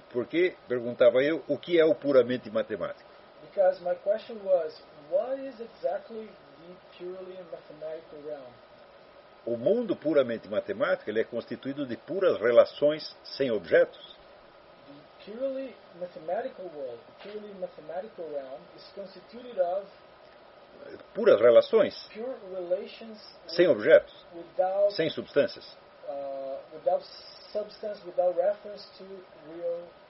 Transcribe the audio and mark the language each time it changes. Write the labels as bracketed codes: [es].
[pt] Porque, perguntava eu, o que é o puramente matemático? [en] Because my question was, what is exactly the purely mathematical realm? [pt] O mundo puramente matemático, ele é constituído de puras relações sem objetos. [en] The purely mathematical world, the purely mathematical realm, is constituted of [pt] puras relações, [en] pure relations, [pt] sem objetos, [en] without, [pt] sem substâncias, [en] without substance, without reference to real.